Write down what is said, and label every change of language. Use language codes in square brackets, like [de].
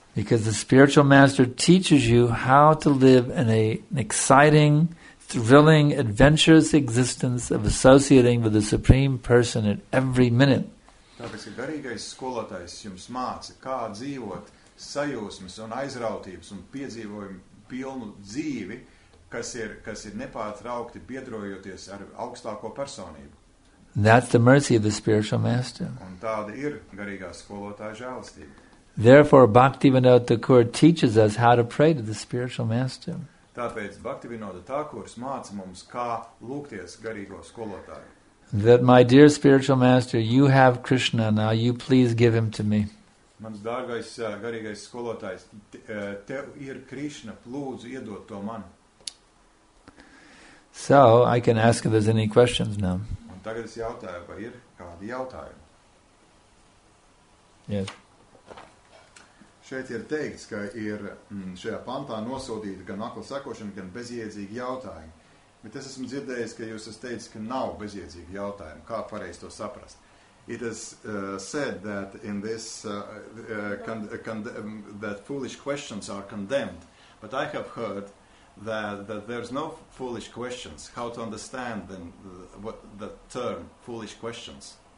[en] Because the spiritual master teaches you how to live in an exciting, thrilling, adventurous existence of associating with the Supreme Person at every minute. [lv] Tāpēc, ka garīgais skolotājs jums māca, kā dzīvot sajūsmas un aizrautības un piedzīvojumu pilnu dzīvi, kas ir nepārtraukti biedrojoties ar augstāko personību. [en] That's the mercy of the spiritual master. [lv] Un tāda ir garīgā skolotāja žēlastība. [en] Therefore, Bhaktivinoda Thakur teaches us how to pray to the spiritual master. [lv] Tāpēc Bhaktivinoda Thakur māca mums, kā lūgties garīgo skolotāju. [en] That my dear spiritual master, you have Krishna, now you please give him to me. [lv] Mans dārgais garīgais skolotājs, tev ir Krishna, lūdzu iedot to man. [en] So, I can ask if there's any questions now. [lv] Un tagad es jautāju, vai ir kādi jautājumi? [en] Yes. [lv] Šeit ir teikts, ka ir šajā pantā nosodīti gan akla sekošana, gan bezjēdzīgi jautājumi. Bet es esmu dzirdējis, ka jūs esat teicis, ka nav bezjēdzīgi jautājumi. Kā pareizi to saprast? [en] It is said that in this that foolish questions are condemned. But I have heard that there's no foolish questions. How to understand then what the term foolish questions?